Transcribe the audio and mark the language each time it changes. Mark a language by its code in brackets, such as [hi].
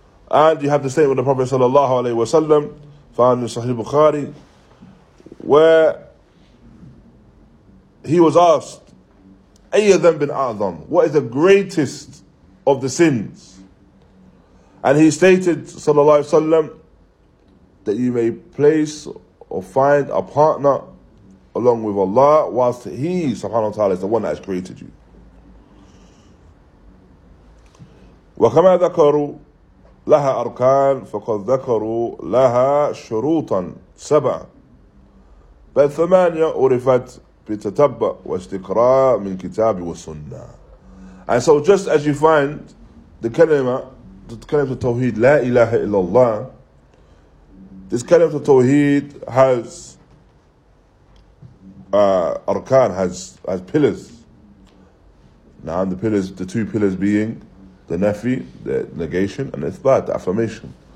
[en] And you have the statement of the Prophet صلى الله عليه وسلم found in Sahih Bukhari, where he was asked, [ar] أي ذنب أعظم, [en] what is the greatest of the sins? And he stated صلى الله عليه وسلم that you may place or find a partner along with Allah, whilst He, subhanahu wa ta'ala, is the one that has created you. [ar] وكما ذكروا لها أركان فقد ذكروا لها شروطا سبع بل ثمانية عرفت بتتبع واستقراء من كتاب وسنة. [en] And so just as you find the kalima, the kalima of tawheed, la ilaha illallah, this kalima of tawheed has arkan, has pillars. Now the pillars, the two pillars being the nafi, the negation, and the ithbat, the affirmation.